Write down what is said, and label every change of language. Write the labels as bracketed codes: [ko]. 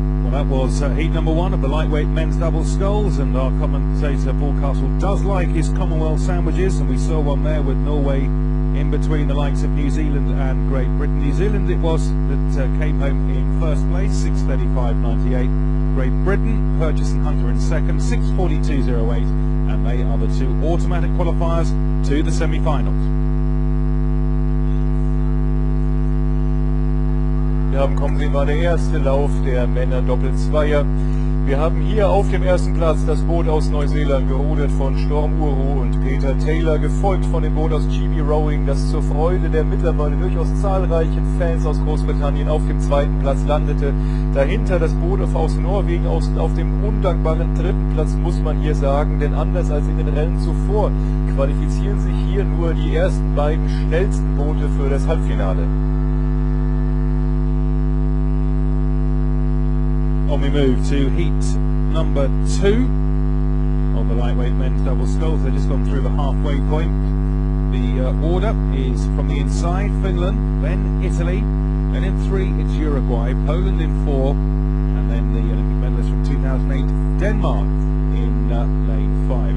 [en] That was heat number one of the lightweight men's double sculls, and our commentator Paul Castle does like his Commonwealth sandwiches, and we saw one there with Norway in between the likes of New Zealand and Great Britain. New Zealand it was that came home in first place, 6:35.98. Great Britain, Purchase and Hunter in second, 6:42.08, and they are the two automatic qualifiers to the semi-finals. [de] Wir haben kommen Sie war der erste Lauf der Männer-Doppelzweier. Wir haben hier auf dem ersten Platz das Boot aus Neuseeland, gerudert von Storm Uru und Peter Taylor, gefolgt von dem Boot aus GB Rowing, das zur Freude der mittlerweile durchaus zahlreichen Fans aus Großbritannien auf dem zweiten Platz landete. Dahinter das Boot aus Norwegen, auf dem undankbaren dritten Platz, muss man hier sagen, denn anders als in den Rennen zuvor qualifizieren sich hier nur die ersten beiden schnellsten Boote für das Halbfinale. [en] And we move to heat number two of the lightweight men's double sculls. They've just gone through the halfway point. The order is from the inside, Finland, then Italy, then in three it's Uruguay, Poland in four, and then the Olympic medalist from 2008, Denmark, in lane five.